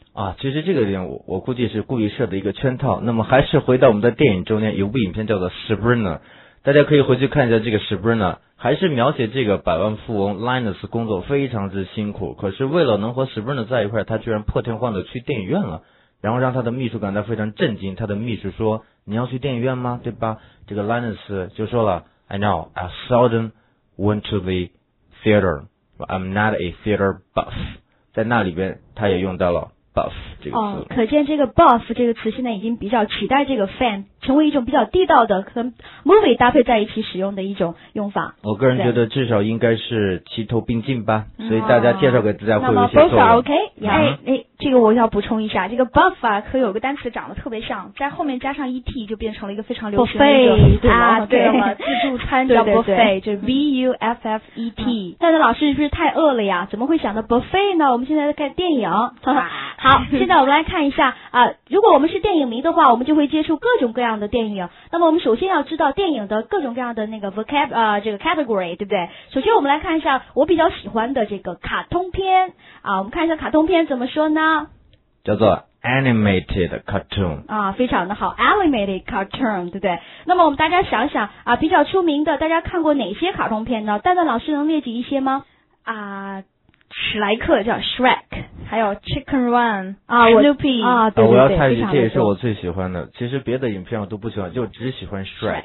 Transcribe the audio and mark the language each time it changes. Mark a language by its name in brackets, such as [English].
[Chinese] 啊，其实这个点我估计是故意设的一个圈套。那么还是回到我们的电影中间，有部影片叫做 Sabrina， 大家可以回去看一下这个 Sabrina， 还是描写这个百万富翁 Linus 工作非常之辛苦，可是为了能和 Sabrina 在一块，他居然破天荒的去电影院了，然后让他的秘书感到非常震惊，他的秘书说你要去电影院吗？对吧？这个 [English] Linus [Chinese] 就说了 [English] I know, I seldom went to the theater, but I'm not a theater buff. [Chinese] 在那里边他也用到了 buff 这个词。哦，可见这个 buff 这个词现在已经比较取代这个 fan, 成为一种比较地道的和 movie 搭配在一起使用的一种用法。我个人觉得至少应该是齐头并进吧，所以大家介绍给大家会有一些错误。那么 [English] both are OK? Yeah. [Chinese] 这个我要补充一下，这个 buff 啊和有个单词长得特别像，在后面加上 et 就变成了一个非常流行的一个 [English] buffet, 啊， [Chinese] 对了吗？自助餐叫 buffet, 就 buffet。但是老师是不是太饿了呀？怎么会想到 buffet 呢？我们现在在看电影，好，现在我们来看一下啊，如果我们是电影迷的话，我们就会接触各种各样的电影。那么我们首先要知道电影的各种各样的那个 vocab 啊，这个 category 对不对？首先我们来看一下我比较喜欢的这个卡通片啊，我们看一下卡通片怎么说呢？叫做 [English] animated cartoon [Chinese] 啊，非常的好 [English] animated cartoon [Chinese] 对不对？那么我们大家想想啊，比较出名的大家看过哪些卡通片呢？蛋蛋老师能列举一些吗？啊，史莱克叫 Shrek, 还有 Chicken Run 啊 [English] Snoopy [Chinese] 啊，对对对，我要猜一下，这也是我最喜欢的，其实别的影片我都不喜欢，就只喜欢 Shrek,